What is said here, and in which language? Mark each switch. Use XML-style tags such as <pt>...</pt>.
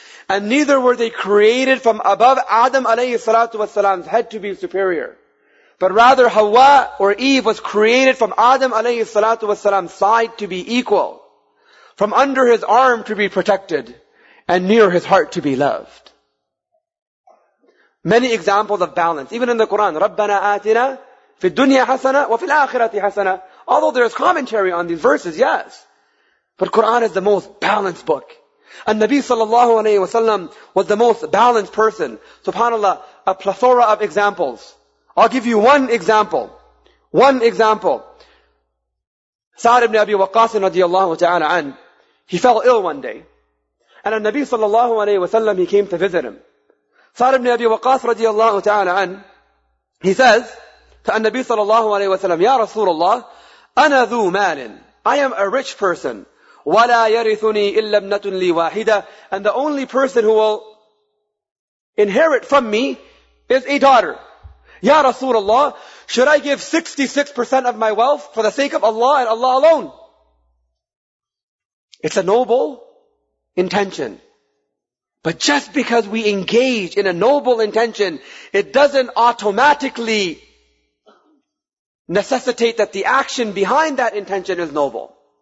<en>And neither were they created from above Adam alayhi salatu wasalam's head to be superior. But rather Hawa or Eve was created from Adam alayhi salatu wasalam's side to be equal. From under his arm to be protected. And near his heart to be loved. Many examples of balance. Even in the Quran,</en> <ar>رَبَّنَا آتِنَا فِي الدُّنْيَا حَسَنَةً وَفِي الْآخِرَةِ حَسَنَةً.</ar> <en>Although there is commentary on these verses, yes. But Quran is the most balanced book. And Nabi sallallahu alayhi wa sallam was the most balanced person. SubhanAllah, a plethora of examples. I'll give you one example. One example. Sa'd ibn Abi Waqqas radiallahu ta'ala an. He fell ill one day. And Nabi sallallahu alayhi wa sallam, he came to visit him. Sa'd ibn Abi Waqqas radiallahu ta'ala an. He says to Nabi sallallahu alayhi wa sallam, Ya Rasulullah,</en> <ar>أنا ذو مال.</ar> <en>I am a rich person.</en> <ar>ولا يرثني إلا ابنة لي واحدة.</ar> <en>And the only person who will inherit from me is a daughter. Ya Rasulullah, should I give 66% of my wealth for the sake of Allah and Allah alone? It's a noble intention. But just because we engage in a noble intention, it doesn't automatically necessitate that the action behind that intention is noble.</en>